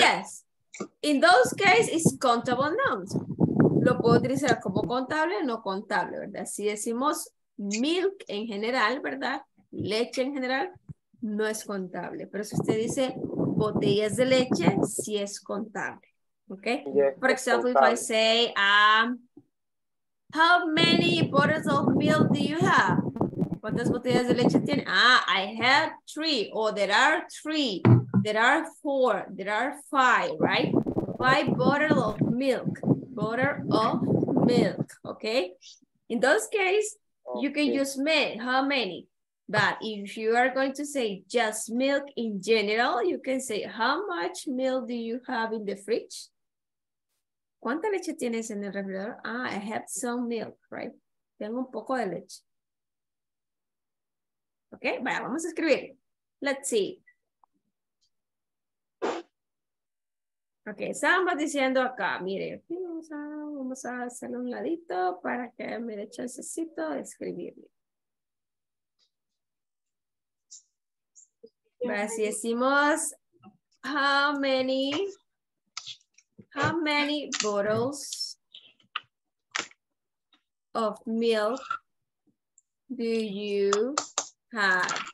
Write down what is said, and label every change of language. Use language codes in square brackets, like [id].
[en] Yes. In those cases, it's countable nouns. [es] Lo puedo utilizar como contable o no contable, ¿verdad? Si decimos milk en general, ¿verdad? Leche en general, no es contable. Pero si usted dice botellas de leche, sí es contable. ¿Ok? [en] Yes, for example, if I say, how many bottles of milk do you have? [es] ¿Cuántas botellas de leche tiene? [en] I have three. Oh, there are three. There are four. There are five, right? Five bottles of milk. Bottle of milk, okay? In those cases, you can use many. How many? But if you are going to say just milk in general, you can say how much milk do you have in the fridge? [es] ¿Cuánta leche tienes en el refrigerador? [en] I have some milk, right? [es] Tengo un poco de leche. Ok, bueno, vamos a escribir. [en] Let's see. [es] Ok, Sam va diciendo acá, mire, vamos a hacerle un ladito para que me dé chancecito de escribirle. Bueno, si decimos, [en] how many bottles of milk do you have?